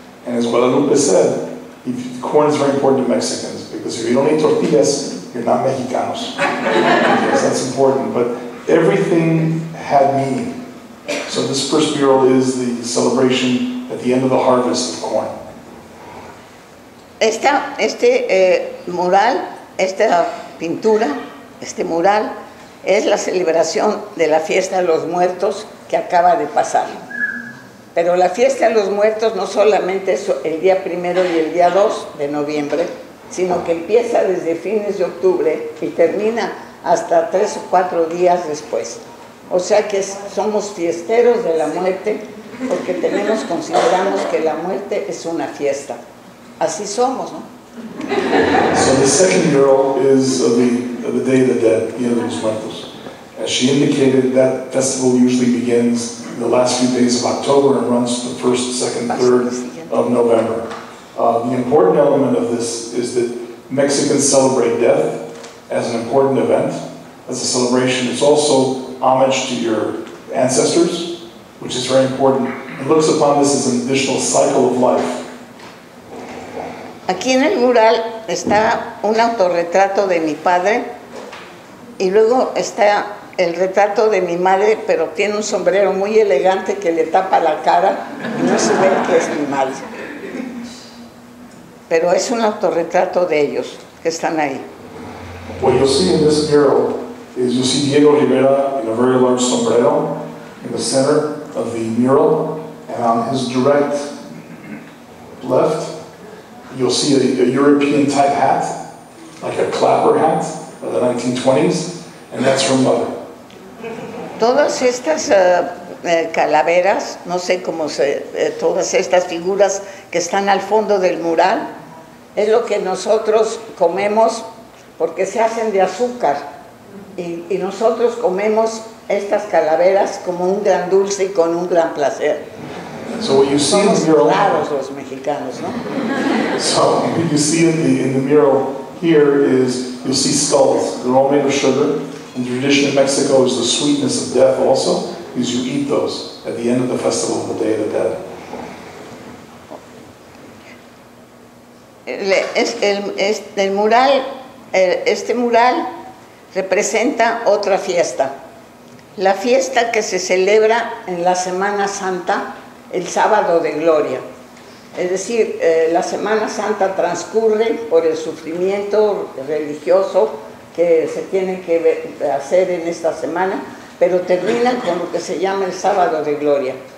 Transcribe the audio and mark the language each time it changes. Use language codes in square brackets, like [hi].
[en] And as Guadalupe said, corn is very important to Mexicans because if you don't eat tortillas, you're not Mexicanos. Yes, that's important. But everything had meaning. So this first mural is the celebration at the end of the harvest of corn. [es] Este mural es la celebración de la fiesta de los muertos que acaba de pasar. Pero la fiesta de los muertos no solamente es el día primero y el día 2 de noviembre, sino que empieza desde fines de octubre y termina hasta 3 o 4 días después. O sea que somos fiesteros de la muerte porque consideramos que la muerte es una fiesta. Así somos, ¿no? [en] So the second mural is of the Day of the Dead, Día de los Muertos. As she indicated, that festival usually begins in the last few days of October and runs the first, second, third of November. The important element of this is that Mexicans celebrate death as an important event, as a celebration. It's also homage to your ancestors, which is very important. It looks upon this as an additional cycle of life. [es] Aquí en el mural está un autorretrato de mi padre y luego está el retrato de mi madre, pero tiene un sombrero muy elegante que le tapa la cara y no se ve que es mi madre. Pero es un autorretrato de ellos que están ahí. [en] What you see in this mural is you see Diego Rivera in a very large sombrero in the center of the mural, and on his direct left you'll see a European type hat, like a clapper hat of the 1920s, and that's her mother. [es] Todas estas calaveras, no sé cómo se, todas estas figuras que están al fondo del mural, es lo que nosotros comemos porque se hacen de azúcar. Y nosotros comemos estas calaveras como un gran dulce y con un gran placer. [en] So what you see [es] somos [en] in the mural, [es] claros los mexicanos, ¿no? [en] So what you see in the mural here is you'll see skulls. They're all made of sugar. And the tradition in Mexico is the sweetness of death also, is you eat those at the end of the festival of the Day of the Dead. [es] Este mural representa otra fiesta. La fiesta que se celebra en la Semana Santa, el sábado de gloria. Es decir, la Semana Santa transcurre por el sufrimiento religioso que se tienen que hacer en esta semana, pero terminan con lo que se llama el sábado de gloria.